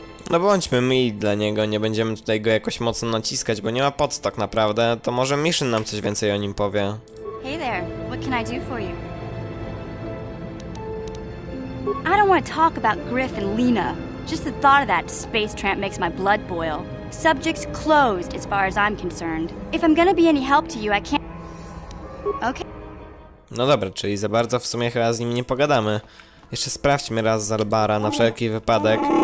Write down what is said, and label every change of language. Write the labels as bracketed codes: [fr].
[pl] No bądźmy mili dla niego, nie będziemy tutaj go jakoś mocno naciskać, bo nie ma pod tak naprawdę. To może Mission nam coś więcej o nim powie. [en] Hey there, what can I do for you? I don't want to talk about Griff and Lena. Just the thought of that space tramp makes my blood boil. Subject's closed as far as I'm concerned. If I'm gonna be any help to you, I can't... Okay. [pl] No dobra, czyli za bardzo w sumie chyba z nim nie pogadamy. Jeszcze sprawdźmy raz z Albara na wszelki wypadek.